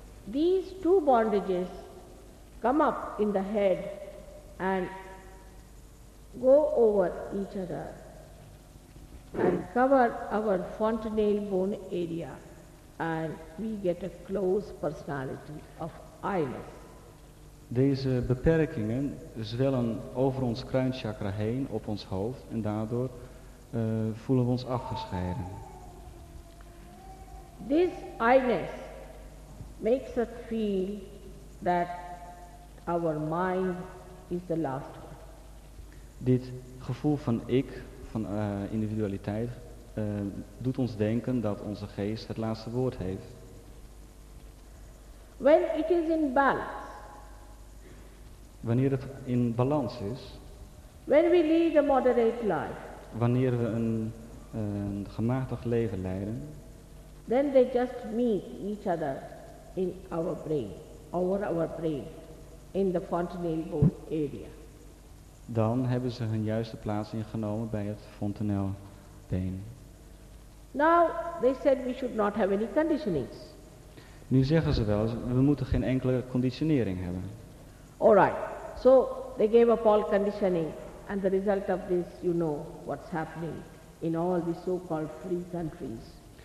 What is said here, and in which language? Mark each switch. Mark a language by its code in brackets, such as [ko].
[en] These two bondages come up in the head and go over each other and cover our fontanel bone area. And we get a close personality of I-ness. [nl] Deze beperkingen zwellen over ons kruinchakra heen op ons hoofd en daardoor voelen we ons afgescheiden. [en] This I-ness makes us feel that our mind is the last one. [nl] Dit gevoel van ik, van individualiteit, doet ons denken dat onze geest het laatste woord heeft. [en] When it is in balance. [nl] Wanneer het in balans is. [en] When we lead a moderate life. [nl] Wanneer we een gematigd leven leiden. [en] Then they just meet each other in our brain, over our brain, in the fontanelle area. [nl] Dan hebben ze hun juiste plaats ingenomen bij het fontanelle been. [en] Now they said we should not have any conditionings. [nl] Nu zeggen ze wel, we moeten geen enkele conditionering hebben. [en] All right. So they gave up all conditioning, and the result of this, you know, what's happening in all these so-called free countries.